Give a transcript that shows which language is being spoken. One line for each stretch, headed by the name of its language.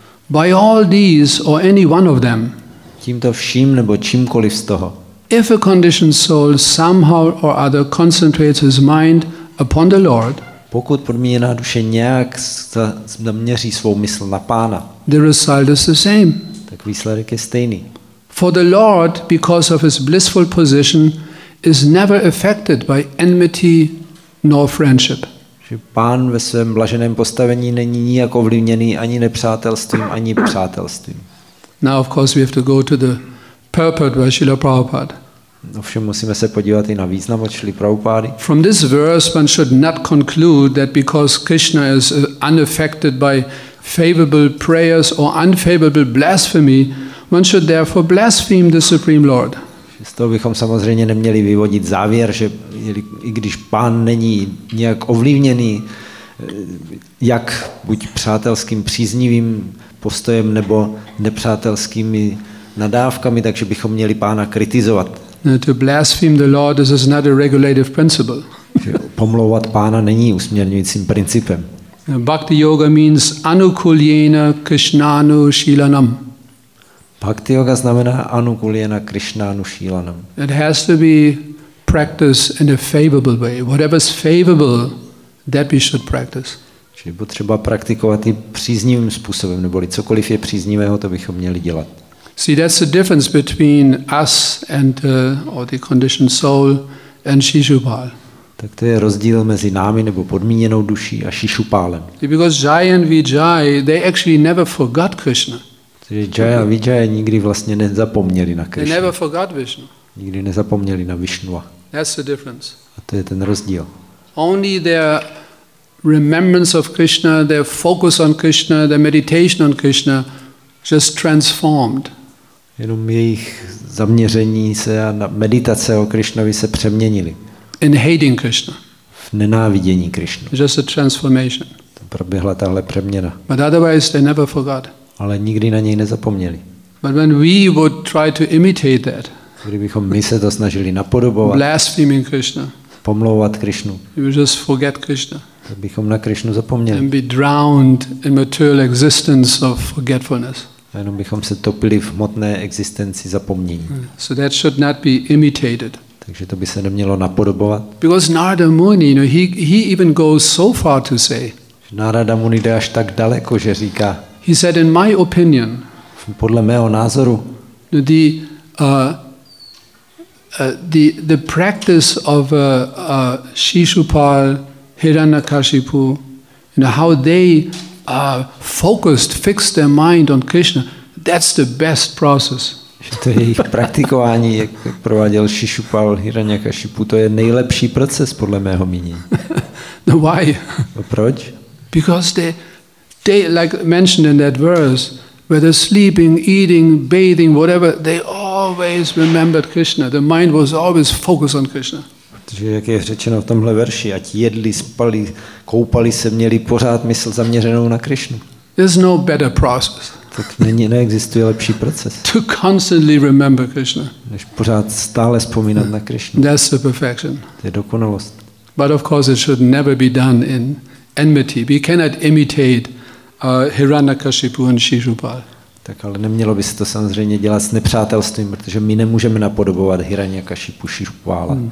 English: By all these or any one of them.
Czech: Tímto vším nebo čímkoliv z toho.
English: If a conditioned soul somehow or other concentrates his mind upon the Lord,
Czech: pokud podmíněná duše nějak zaměří svou mysl na pána,
English: the result is the same.
Czech: Tak výsledek je stejný.
English: For the Lord, because of his blissful position, is never affected by enmity nor friendship.
Czech: Že pán ve svém blaženém postavení není nijak ovlivněný ani nepřátelstvím, ani přátelstvím.
English: Now of course we have to go to the purport by Srila Prabhupada.
Czech: Ovšem musíme se podívat i na význam od Srily Prabhupády.
English: From this verse one should not conclude that because Krishna is unaffected by favorable prayers or unfavorable blasphemy, one should therefore blaspheme the Supreme Lord.
Czech: Z toho bychom samozřejmě neměli vyvodit závěr, že i když pán není nějak ovlivněný, jak buď přátelským příznivým postojem nebo nepřátelskými nadávkami, takže bychom měli pána kritizovat.
English: To blaspheme the Lord, this is not a regulative principle.
Czech: pomlouvat pána není usměrňujícím principem.
English: Bhakti yoga means
Sanskrit: anukulyena krishnanu shilanam.
Czech: Bhakti yoga znamená
Sanskrit: anukulyena krishnanu shilanam.
English: It has to be practiced in a favorable way. Whatever is favorable, that we should practice.
Czech: Čili potřeba praktikovat i příznivým způsobem, neboli cokoliv je příznivého, to bychom měli dělat.
English: See, that's the difference between us and or the conditioned soul and Shishupal.
Czech: Tak to je rozdíl mezi námi nebo podmíněnou duší a Shishupálem.
English: Because Jaya and Vijaya, they actually never forgot Krishna.
Czech: Takže Jaya a Vijaya nikdy vlastně nezapomněli na Krishna.
English: They never forgot Vishnu.
Czech: Nikdy nezapomněli na Vishnua.
English: That's the difference.
Czech: A to je ten rozdíl.
English: Only their remembrance of Krishna, their focus on Krishna, their meditation on Krishna just transformed.
Czech: Jenom jejich zaměření se a meditace o Krishnovi se přeměnily.
English: In hating Krishna.
Czech: V nenávidění Krishna.
English: Just a transformation.
Czech: To proběhla tahle přeměna.
English: But otherwise they never forgot.
Czech: Ale nikdy na něj nezapomněli.
English: But when we would try to imitate that.
Czech: Kdybychom my se to snažili napodobovat.
English: Blaspheming Krishna.
Czech: Pomlouvat Krishnu.
English: We would just forget Krishna.
Czech: Tak bychom na Krishnu zapomněli.
English: And be drowned in material existence of forgetfulness.
Czech: A jenom bychom se topili v hmotné existenci zapomnění.
English: So that should not be imitated.
Czech: Takže to by se nemělo napodobovat.
English: Because Narada Muni, you know, he even goes so far to say.
Czech: Narada Muni jde až tak daleko, že říká.
English: He said, in my opinion.
Czech: Podle mého názoru.
English: The practice of Shishupal, Hiranyakashipu, you know, how they focused, fixed their mind on Krishna, that's the best process.
Czech: To je jejich praktikování, jak prováděl Shishupal Hiranyakashipu, to je nejlepší proces podle mého mínění.
English: No why?
Czech: Proč?
English: Because they like mentioned in that verse, whether sleeping, eating, bathing, whatever, they always remembered Krishna. The mind was always focused on Krishna.
Czech: Protože jak je řečeno v tomhle verši, ať jedli, spali, koupali se, měli pořád mysl zaměřenou na Krishnu.
English: There's no better process.
Czech: Tak není, neexistuje lepší proces.
English: To constantly remember Krishna.
Czech: Než pořád stále vzpomínat na Krishnu.
English: That's the perfection.
Czech: To je dokonalost.
English: But of course it should never be done in enmity. We cannot imitate Hiranyakashipu and Shishupal.
Czech: Tak ale nemělo by se to samozřejmě dělat s nepřátelstvím, protože my nemůžeme napodobovat Hiranyakashipu Shishupala.